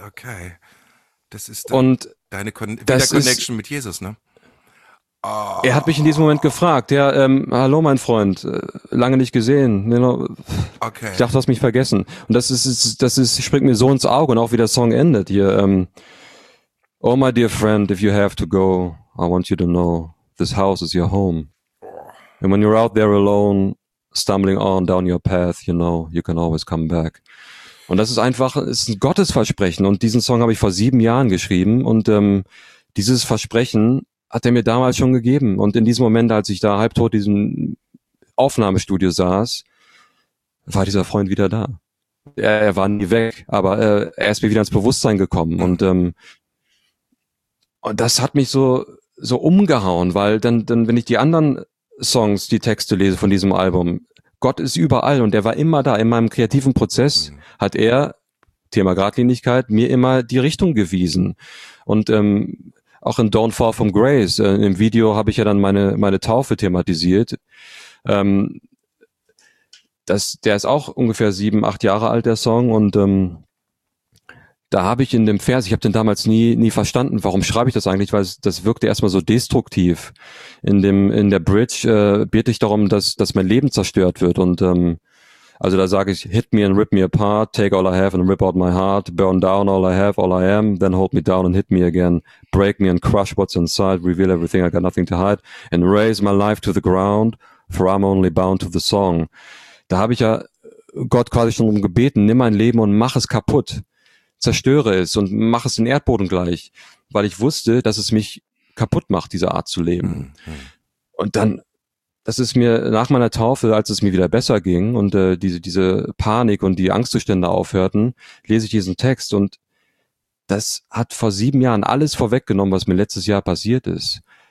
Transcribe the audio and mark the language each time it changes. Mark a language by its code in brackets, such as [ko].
[de] Okay. Das ist und deine Connection mit Jesus, ne? Oh. Er hat mich in diesem Moment gefragt, ja, hallo mein Freund, lange nicht gesehen. Okay. Ich dachte, du hast mich vergessen. Und das springt mir so ins Auge und auch wie der Song endet hier. [en] Oh my dear friend, if you have to go, I want you to know, this house is your home. And when you're out there alone, stumbling on down your path, you know, you can always come back. [de] Und das ist einfach, ist ein Gottesversprechen. Und diesen Song habe ich vor 7 Jahren geschrieben. Und dieses Versprechen hat er mir damals schon gegeben. Und in diesem Moment, als ich da halbtot in diesem Aufnahmestudio saß, war dieser Freund wieder da. Er war nie weg, aber er ist mir wieder ins Bewusstsein gekommen. Und das hat mich so umgehauen, weil dann wenn ich die anderen Songs, die Texte lese von diesem Album. Gott ist überall und er war immer da. In meinem kreativen Prozess hat er, Thema Gradlinigkeit, mir immer die Richtung gewiesen. Und auch in Don't Fall from Grace, im Video habe ich ja dann meine Taufe thematisiert. Der ist auch ungefähr 7-8 Jahre alt, der Song. Und da habe ich in dem Vers, ich habe den damals nie verstanden, warum schreibe ich das eigentlich, weil das wirkte erstmal so destruktiv. In der Bridge bete ich darum, dass mein Leben zerstört wird. Und also da sage ich, [en] hit me and rip me apart, take all I have and rip out my heart, burn down all I have, all I am, then hold me down and hit me again, break me and crush what's inside, reveal everything, I got nothing to hide, and raise my life to the ground, for I'm only bound to the song. [de] Da habe ich ja Gott quasi schon um gebeten, nimm mein Leben und mach es kaputt. Zerstöre es und mache es den Erdboden gleich, weil ich wusste, dass es mich kaputt macht, diese Art zu leben. Mhm. Und dann das ist mir nach meiner Taufe, als es mir wieder besser ging und diese Panik und die Angstzustände aufhörten, lese ich diesen Text und das hat vor 7 Jahren alles vorweggenommen, was mir letztes Jahr passiert ist.